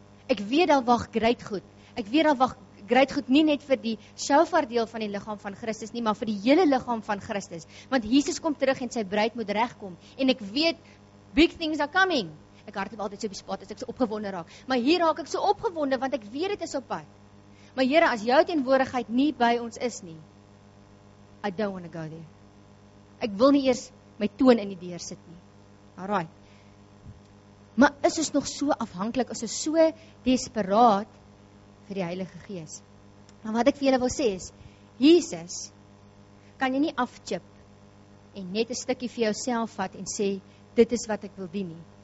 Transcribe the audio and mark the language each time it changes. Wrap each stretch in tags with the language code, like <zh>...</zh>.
<af>Ek weet daar wag groot goed. Ek weet daar wag groot goed nie net vir die shofar deel van die liggaam van Christus nie, maar vir die hele liggaam van Christus, want Jesus kom terug en sy bruid moet regkom en ek weet</af> <en>big things are coming.</en> <af>Ek hardloop altyd so op die spot as ek so opgewonde raak. Maar hier raak ek so opgewonde want ek weet dit is op pad. Maar Here, as jou teenwoordigheid nie by ons is nie,</af> <en>I don't want to go there.</en> <af>Ek wil nie eers my toon in die deur sit nie. Alraai. Maar is ons nog so afhanklik, is ons so desperaat vir die Heilige Gees? Maar wat ek vir julle wil sê is, Jesus kan jy nie afchip en net 'n stukkie vir jouself vat en sê dit is wat ek wil doen nie.</af>